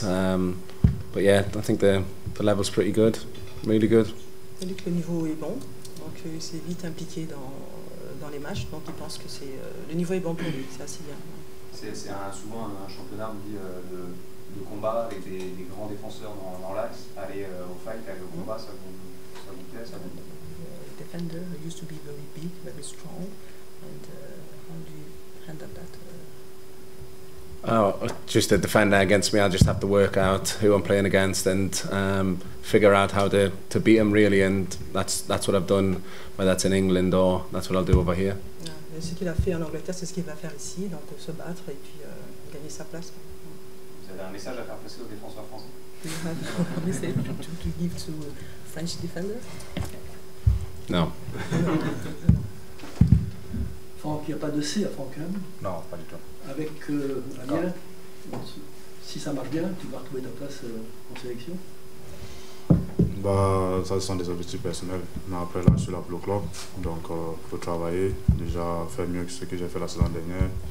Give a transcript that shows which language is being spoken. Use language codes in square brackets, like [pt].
[en] But yeah, I think the level's pretty good, really good. [fr] Il dit que le niveau est bon, donc il s'est vite impliqué dans les matchs, donc il pense que c'est le niveau est bon pour lui, c'est assez bien. C'est souvent un championnat, on dit, de combat avec des grands défenseurs dans l'axe. Aller au fight, aller au combat, ça vous plaît, ça vous plaît. [en] The defender used to be very big, very strong, and how do you handle that? Oh, just a defender against me, I just have to work out who I'm playing against and figure out how to beat him, really, and that's what I've done, whether that's in England or that's what I'll do over here. Yeah. [fr] Ce qu'il a fait en Angleterre, c'est ce qu'il va faire ici, donc se battre et puis gagner sa place. Vous avez un message à faire passer aux défenseurs français? [en] Do you have a message to give to French defender? No. [fr] Franck, il n'y a pas de C à Franck, hein? Non, pas du tout. Avec Amiens, si ça marche bien, tu vas retrouver ta place en sélection? Bah, ça, ce sont des objectifs personnels. Mais après, là, je suis là pour le club. Donc, il faut travailler. Déjà, faire mieux que ce que j'ai fait la saison dernière.